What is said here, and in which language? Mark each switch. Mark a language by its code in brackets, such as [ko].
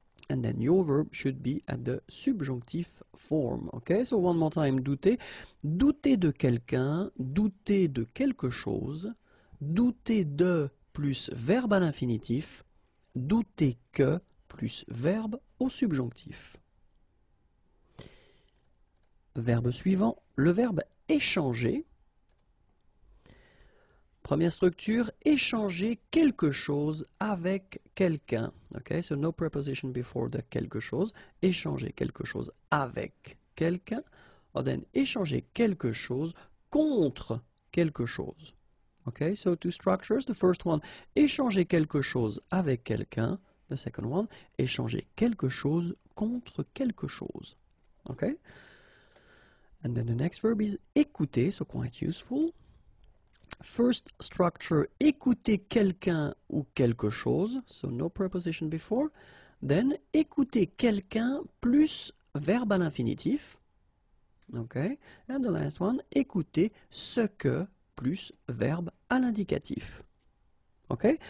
[en] And then your verb should be at the subjonctive form. Okay, so one more time, douter. [fr] Douter de quelqu'un, douter de quelque chose, douter de plus verbe à l'infinitif, douter que plus verbe au subjonctif. Verbe suivant, le verbe échanger. Première structure, échanger quelque chose avec quelqu'un. [en] Okay, so no preposition before the [fr] quelque chose. Échanger quelque chose avec quelqu'un. [en] Or then, [fr] échanger quelque chose contre quelque chose. [en] Okay, so two structures. The first one, [fr] échanger quelque chose avec quelqu'un. [en] The second one, [fr] échanger quelque chose contre quelque chose. Okay? [en] And then the next verb is écouter, so quite useful. First structure, [fr] écouter quelqu'un ou quelque chose, [en] so no preposition before. [fr] Then, écouter quelqu'un plus verbe à l'infinitif. Okay. [en] And the last one, [fr] écouter ce que plus verbe à l'indicatif. Okay.